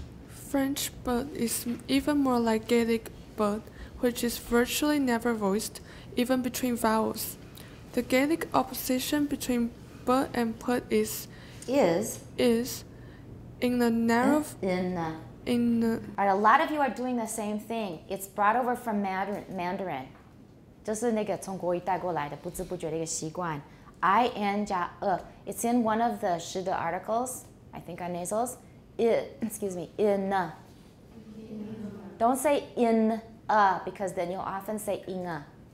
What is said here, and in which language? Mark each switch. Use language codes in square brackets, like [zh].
[en] French but is even more like Gaelic but, which is virtually never voiced, even between vowels. The Gaelic opposition between but and put is in the narrow... Alright, a lot of you are doing the same thing. It's brought over from Mandarin. [zh] 就是那个从国语带过来的不知不觉的一个习惯。 [en] I-N-J-A-E. It's in one of the 时的 articles, I think on nasals. In. Don't say in a, because then you'll often say in a.